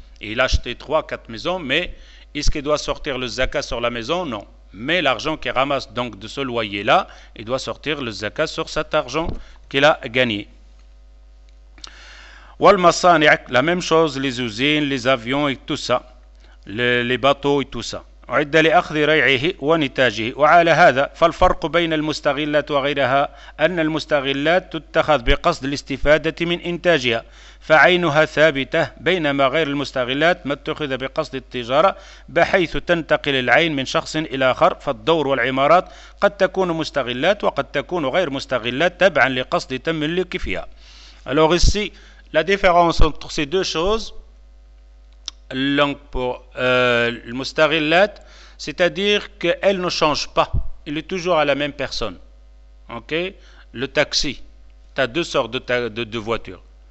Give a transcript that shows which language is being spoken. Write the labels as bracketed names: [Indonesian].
[French] Il a acheté 3-4 maisons, mais est-ce qu'il doit sortir le zakat sur la maison? Non. Mais l'argent qu'il ramasse donc de ce loyer-là, il doit sortir le zakat sur cet argent qu'il a gagné. La même chose, les usines, les avions et tout ça, les bateaux et tout ça. [Arabic] عد لأخذ ريعه ونتاجه وعلى هذا فالفرق بين المستغلات وغيرها أن المستغلات تتخذ بقصد الاستفادة من إنتاجها فعينها ثابتة بينما غير المستغلات ما اتخذ بقصد التجارة بحيث تنتقل العين من شخص إلى آخر فالدور والعمارات قد تكون مستغلات وقد تكون غير مستغلات تبعا لقصد تملك فيها. [French] Alors ici, la différence entre ces deux choses. Donc pour le mustaghillat, c'est-à-dire qu'elle ne change pas, il est toujours à la même personne. Ok, le taxi, tu as deux sortes de voitures.